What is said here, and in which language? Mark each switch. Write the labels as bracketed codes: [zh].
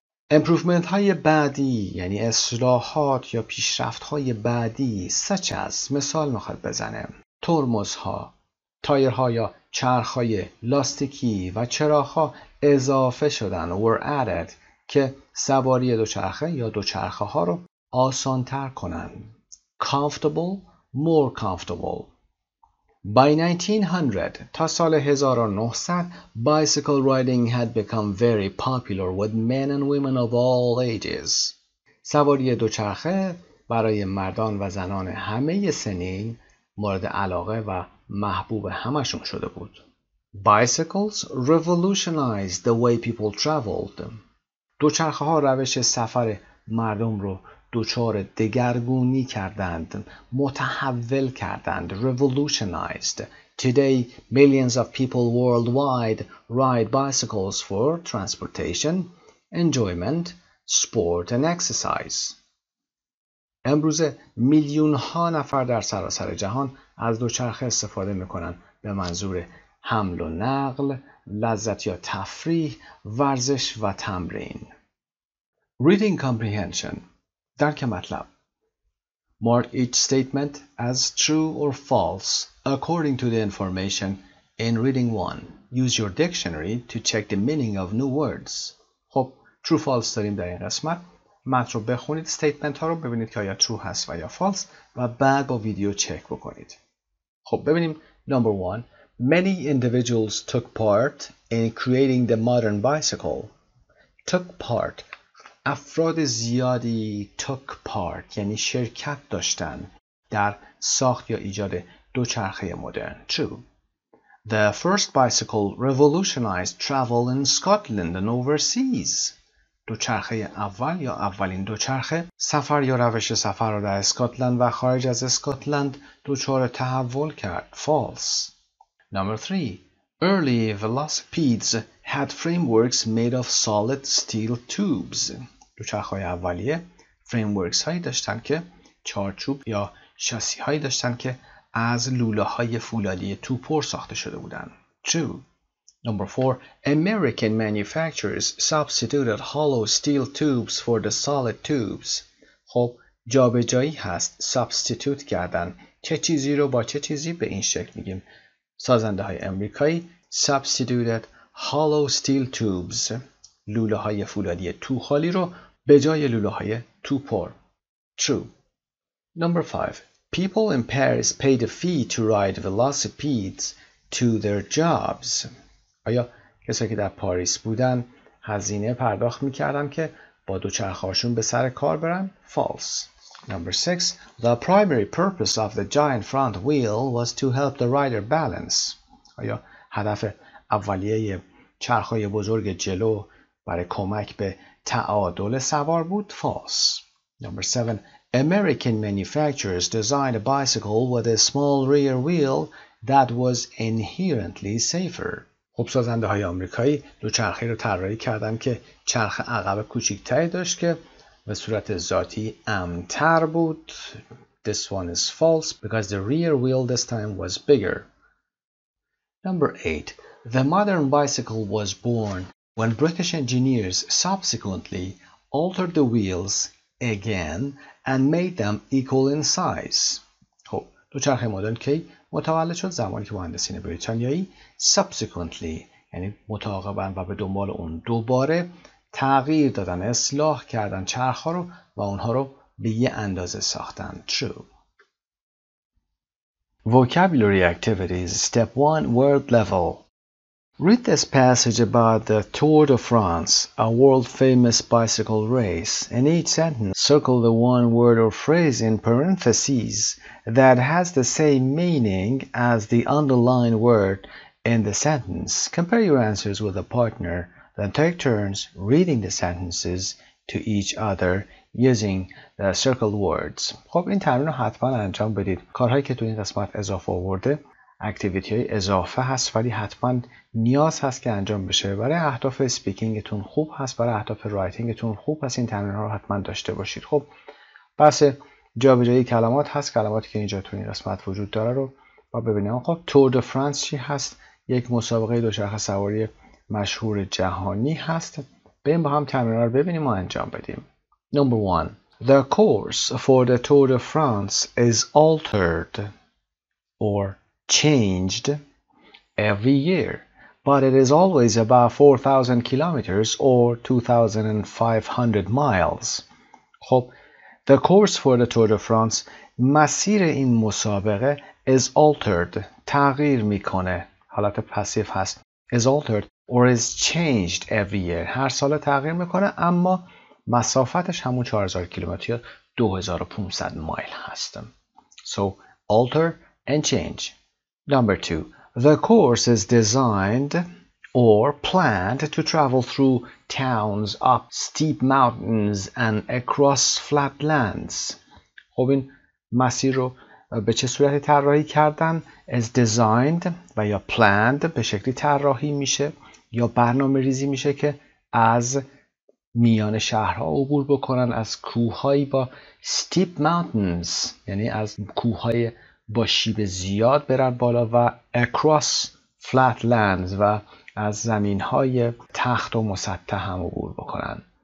[fa] Improvement های بعدی, یعنی اصلاحات یا پیشرفت های بعدی, [en] such as, [fa] مثال میخواد بزنه, ترمز ها, تایر ها یا چرخ های لاستیکی و چراغ ها اضافه شدن, [en] were added, [fa] که سواری دوچرخه یا دوچرخه ها رو آسان تر کنن. [en] Comfortable, more comfortable. By 1900, [fa] تا سال 1900, [en] bicycle riding had become very popular with men and women of all ages. [fa] سواری دوچرخه برای مردان و زنان همه سنین مورد علاقه و محبوب همشون شده بود. [en] Bicycles revolutionized the way people traveled. [fa] دوچرخه ها روش سفر مردم رو دوچار دگرگونی کردند، متحول کردند، revolutionized. [en] Today, millions of people worldwide ride bicycles for transportation, enjoyment, sport and exercise. [fa] امروز میلیون ها نفر در سراسر جهان از دوچرخه استفاده میکنند به منظور حمل و نقل، لذت یا تفریح، ورزش و تمرین. [en] Reading comprehension. [fa] درک مطلب. [en] Mark each statement as true or false according to the information in reading one. Use your dictionary to check the meaning of new words. [fa] خب، true false داریم در این قسمت. متن رو بخونید، statement ها رو ببینید که آیا true هست و یا false و بعد با ویدیو چک بکنید. خب ببینیم. [en] Number one. Many individuals took part in creating the modern bicycle. Took part. [fa] افراد زیادی [en] took part [fa] یعنی شرکت داشتن در ساخت یا ایجاد دوچرخه مدرن. [en] True. The first bicycle revolutionized travel in Scotland and overseas. [fa] دوچرخه اول یا اولین دوچرخه سفر یا روش سفر را در اسکاتلند و خارج از اسکاتلند دوچار تحول کرد. [en] False. Number 3. Early velocipedes had frameworks made of solid steel tubes. [fa] دوچرخه‌های اولیه فریمورکس هایی داشتن که چارچوب یا شاسی هایی داشتن که از لوله های فولادی توپر ساخته شده بودن. [en] 2. Number 4. American manufacturers substituted hollow steel tubes for the solid tubes. [fa] خب جا به جایی هست. Substitute کردن. چه چیزی رو با چه چیزی به این شکل میگیم؟ سازنده های امریکایی [en] substituted hollow steel tubes [fa] لوله های فولادی توخالی رو به جای لوله های توپر. [en] True. Number 5. People in Paris paid a fee to ride velocipedes to their jobs. [fa] آیا کسایی که در پاریس بودن هزینه پرداخت میکردن که با دوچرخه‌هاشون به سر کار برن؟ False. [en] Number 6. The primary purpose of the giant front wheel was to help the rider balance. [fa] آیا هدف اولیه چرخ‌های بزرگ جلو برای کمک به تعادل سوار بود؟ False. [en] Number 7. American manufacturers designed a bicycle with a small rear wheel that was inherently safer. [fa] خب سازنده های آمریکایی دوچرخه رو طراحی کردن که چرخ عقب کوچیک‌تری داشت که به صورت ذاتی امن‌تر بود. [en] This one is false because the rear wheel this time was bigger. Number 8. The modern bicycle was born when British engineers subsequently altered the wheels again and made them equal in size. [fa] خب دوچرخه مدرن کی متولد شد؟ زمانی که مهندسین بریتانیایی subsequently یعنی متعاقبا و به دنبال اون دوباره تغییر دادن، اصلاح کردن چرخ ها رو و اونها رو به یه اندازه ساختن. [en] True. Vocabulary activities. Step 1. Word level. Read this passage about the Tour de France, a world famous bicycle race. In each sentence, circle the one word or phrase in parentheses that has the same meaning as the underlined word in the sentence. Compare your answers with a partner. Then take turns reading the sentences to each other using the circled words. [fa] خب این تمرین رو حتما انجام بدید. کارهایی که تو این قسمت اضافه آورده اکتیویتی های اضافه هست، ولی حتما نیاز هست که انجام بشه. برای اهداف سپیکینگتون خوب هست، برای اهداف رایتینگتون خوب هست، این تمرین رو حتما داشته باشید. خب بس جا به جایی کلمات هست، کلماتی که اینجا تو این قسمت وجود داره رو با ببینیم. خب تور دو فرانس چی هست؟ یک مسابقه دوچرخه سواری مشهور جهانی هست. بریم با هم تمرین رو ببینیم و انجام بدیم. [en] Number 1. The course for the Tour de France is altered or changed every year, but it is always about 4,000 kilometers or 2,500 miles. خب The course for the Tour de France, [fa] مسیر این مسابقه [en] is altered, [fa] تغییر میکنه. حالت پسیو هست. [en] Is altered or is changed every year. [fa] هر سال تغییر میکنه اما مسافتش همون 4000 کیلومتر یا 2500 مایل هست. [en] So, alter and change. Number two, the course is designed or planned to travel through towns, up steep mountains and across flat lands. [fa] خب این مسیر رو به چه صورتی طراحی کردن؟ Is designed و یا planned به شکلی طراحی میشه یا برنامه ریزی میشه که از میان شهرها عبور بکنن، از کوههایی با [en] steep mountains [fa] یعنی از کوههای با شیب زیاد برن بالا و [en] across flat lands [fa] و از زمینهای تخت و مسطح هم عبور بکنن.